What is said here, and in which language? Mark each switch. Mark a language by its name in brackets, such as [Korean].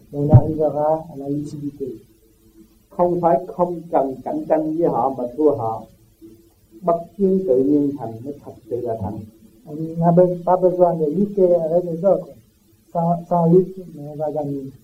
[French] On arrivera à la lucidité. [Vietnamese] Không phải không cần cạnh tranh với họ mà thua họ. Bất chiến tự nhiên thành mới thật sự là thành. [French] On n'a pas besoin de lutter avec les autres. Sans lutte, mais on va gagner.